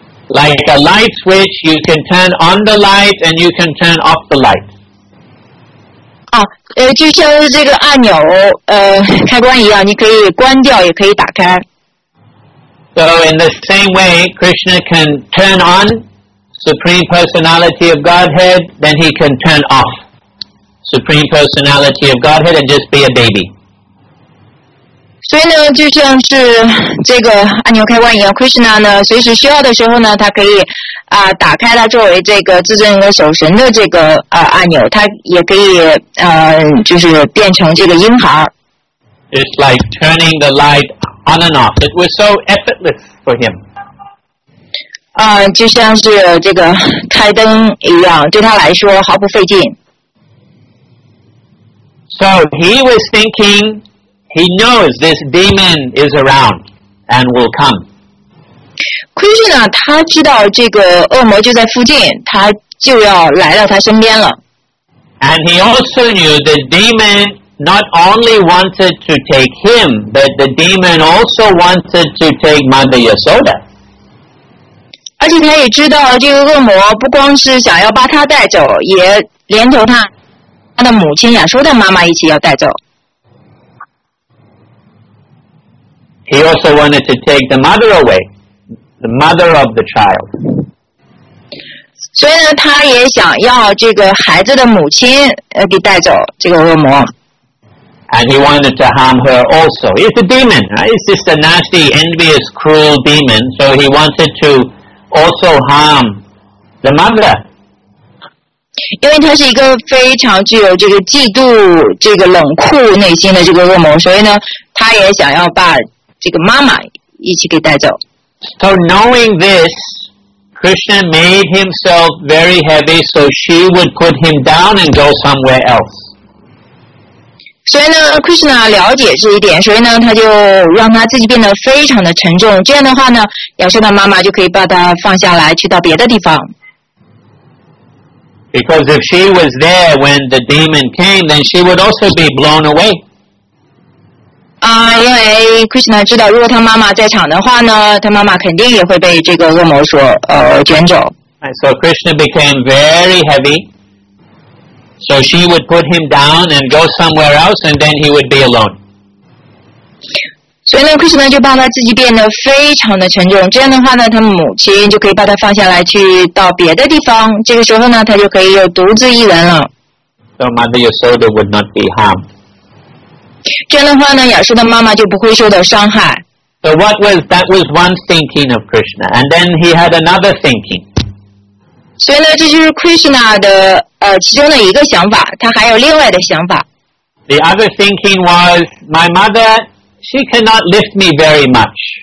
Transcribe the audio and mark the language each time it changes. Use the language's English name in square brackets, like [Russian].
[English] Like a light switch, you can turn on the light and you can turn off the light. [Chinese] Oh, 就像是这个按钮，开关一样，你可以关掉，也可以打开。 [English] So in the same way, Krishna can turn on Supreme Personality of Godhead, then he can turn off Supreme Personality of Godhead and just be a baby. [Chinese] 所以呢，就像是这个按钮开关一样 ，Krishna 呢，随时需要的时候呢，他可以打开了作为这个至尊人格守神的这个按钮，他也可以就是变成这个婴孩。 [English] It's like turning the light on and off. It was so effortless for him. [Chinese] 就像是这个开灯一样，对他来说毫不费劲。 [English] So he was thinking, he knows this demon is around and will come. [Chinese] Krishna, 他知道这个恶魔就在附近，他就要来到他身边了。 [English] And he also knew the demon. Not only wanted to take him, but the demon also wanted to take Mother Yasoda. [Chinese] 而且他也知道这个恶魔不光是想要把他带走，也连同他的母亲亚苏的妈妈一起要带走。 [English] He also wanted to take the mother away, the mother of the child. [Chinese] 所以呢，他也想要这个孩子的母亲给带走这个恶魔。 [English] And he wanted to harm her also. It's a demon, right? It's just a nasty, envious, cruel demon. So he wanted to also harm the mother. [Chinese] 因为他是一个非常具有这个嫉妒、这个冷酷内心的这个恶魔，所以呢，他也想要把这个妈妈一起给带走。 [English] So knowing this, Krishna made himself very heavy so she would put him down and go somewhere else. [Chinese] 所以呢 ，Krishna 了解这一点，所以呢，他就让他自己变得非常的沉重。这样的话呢，亚瑟的妈妈就可以把他放下来，去到别的地方。 [English] Because if she was there when the demon came, then she would also be blown away. [Chinese] 因为 Krishna 知道，如果他妈妈在场的话呢，他妈妈肯定也会被这个恶魔所卷走。 [English] So Krishna became very heavy. So she would put him down and go somewhere else, and then he would be alone. [Chinese] 所以呢 ，Krishna 就把他自己变得非常的沉重。这样的话呢，他母亲就可以把他放下来，去到别的地方。这个时候呢，他就可以有独自一人了。 [English] So Mother Yasoda would not be harmed. [Chinese] 这样的话呢，亚瑟的妈妈就不会受到伤害。 [English] So what was that? Was one thinking of Krishna, and then he had another thinking. [Chinese] 所以呢，这就是 Krishna 的其中的一个想法，他还有另外的想法。 [English] The other thinking was, my mother, she cannot lift me very much.